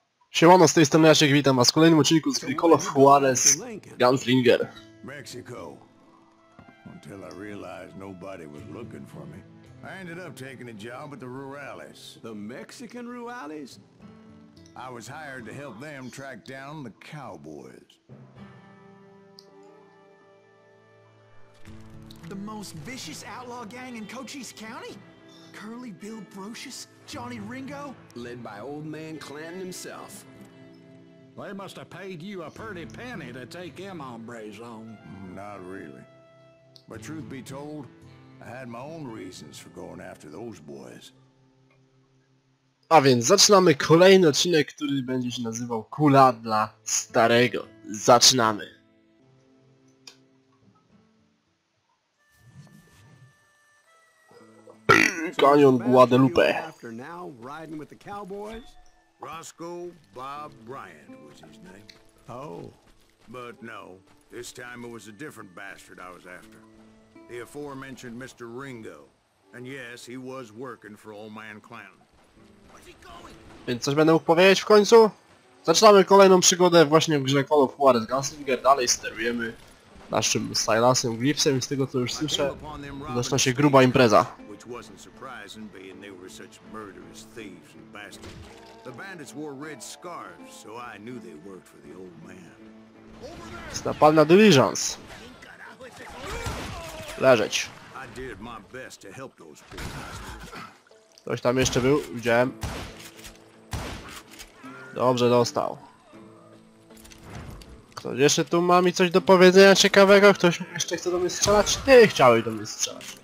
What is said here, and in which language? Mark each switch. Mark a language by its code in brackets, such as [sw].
[pl] Siemano, z tej strony Jasiek, witam was w kolejnym odcinku z gry Call of Juarez Gunslinger. [en] Mexico. Until I realized nobody was looking for me, I ended up taking a job at the Rurales. The Mexican Rurales? I was hired to help them track down the cowboys. The most vicious outlaw gang in Cochise County? Curly Bill Brocious? Johnny Ringo? Led by old man Clanton himself. They must have paid you a pretty penny to take them hombres on. Not really. But truth be told, I had my own reasons for going after those boys. [pl] A więc zaczynamy kolejny odcinek, który będzie się nazywał Kula dla Starego. Zaczynamy! Kanion Guadalupe. [en] After now, riding with the cowboys? Roscoe Bob Bryant was his name. Oh. But no, this time it was a different bastard I was after. The aforementioned Mr. Ringo. And yes, he was working for old man Clanton. Where's he going? [pl] Więc coś będę mógł powiedzieć w końcu? Zaczynamy kolejną przygodę właśnie w grze Call of Juarez Gunslinger. Dalej sterujemy naszym Silasem Gripsem i z tego co już słyszę, zaczyna się gruba impreza. [en] Wasn't surprising being they were such murderous thieves and bastards. The bandits wore red scarves, so I knew they worked for the old man. Napalna diligence. [pl] Leżeć. [en] I did my best to help those bastards. [pl] Ktoś tam jeszcze był, widziałem. Dobrze dostał. Ktoś jeszcze tu ma mi coś do powiedzenia ciekawego? Ktoś jeszcze chce do mnie strzelać? Ty chciałeś do mnie strzelać.